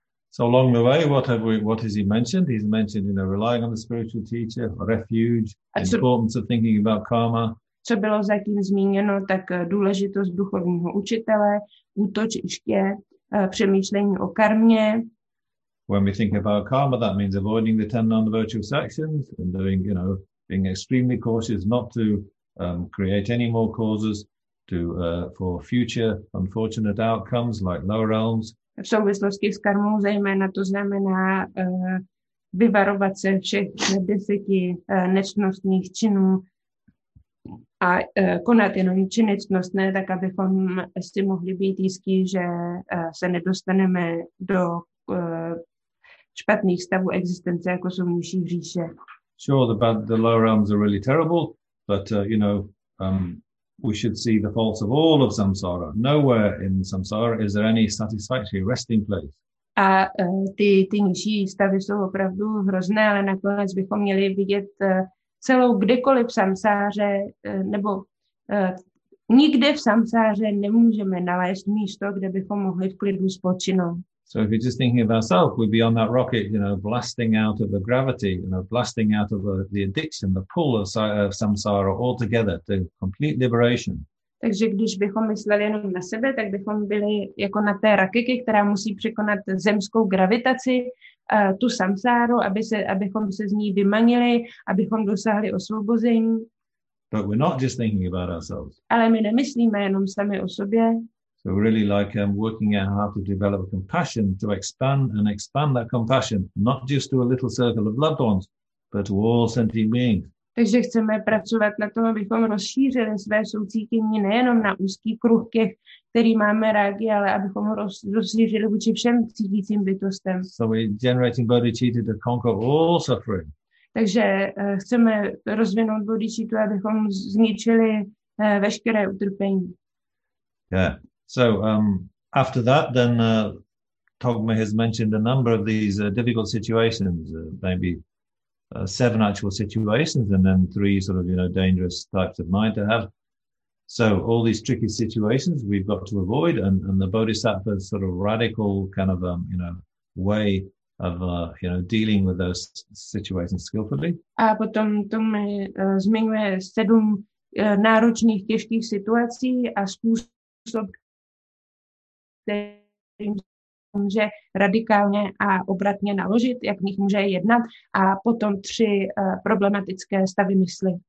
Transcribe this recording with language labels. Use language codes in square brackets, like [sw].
[en] So along the way, what has he mentioned? He's mentioned, you know, relying on the spiritual teacher, refuge, importance of thinking about karma. [cs] Co bylo zatím zmíněno, tak důležitost duchovního učitele, útočiště, přemýšlení o karmě. [en] When we think about karma, that means avoiding the 10 non-virtuous actions and doing, you know, being extremely cautious not to create any more causes to for future unfortunate outcomes like lower realms. [cs] V souvislosti s karmou zejména to znamená vyvarovat se všech 10 nečnostních činů a konat jenom činy čnostné, tak abychom si mohli být jistí, že se nedostaneme do špatných stavů existence, jako jsou nižší hříše. [en] Sure, the lower realms are really terrible, but, you know, we should see the faults of all of samsara. Nowhere in samsara is there any satisfactory resting place. [cs] A ty nižší stavy jsou opravdu hrozné, ale nakonec bychom měli vidět celou kdekoliv v samsáře, nebo nikde v samsáře nemůžeme nalézt místo, kde bychom mohli v klidu spočinout. [en] So if you're just thinking of ourselves, we'd be on that rocket, you know, blasting out of the gravity, you know, blasting out of the addiction, the pull of samsara altogether, to complete liberation. [cs] Takže když bychom mysleli jenom na sebe, tak bychom byli jako na té rakety, která musí překonat zemskou gravitaci, tu samsáru, abychom se z ní vymanili, abychom dosáhli osvobození. [en] But we're not just thinking about ourselves. [cs] Ale my nemyslíme jenom sami o sobě. [en] So really like working out how to develop compassion, to expand that compassion, not just to a little circle of loved ones, but to all sentient beings. [cs] Takže chceme pracovat na tom, abychom rozšířili své soucítění nejenom na úzký kruh těch, který máme rádi, ale abychom ho rozšířili vůči všem cítícím bytostem. [en] So we're generating bodhicitta to conquer all suffering. [cs] Takže chceme rozvinout bodhicittu, abychom zničili veškeré utrpení. [en] Yeah. So after that, then Togme has mentioned a number of these difficult situations, maybe 7 actual situations, and then 3 sort of, you know, dangerous types of mind to have. So all these tricky situations we've got to avoid, and the Bodhisattva's sort of radical kind of, you know, way of, you know, dealing with those situations skillfully. [cs] A potom Togme zmiňuje 7 náročných, těžkých situací a způsob, kterým může radikálně a obratně naložit, jak v nich může jednat, a potom 3 problematické stavy mysli.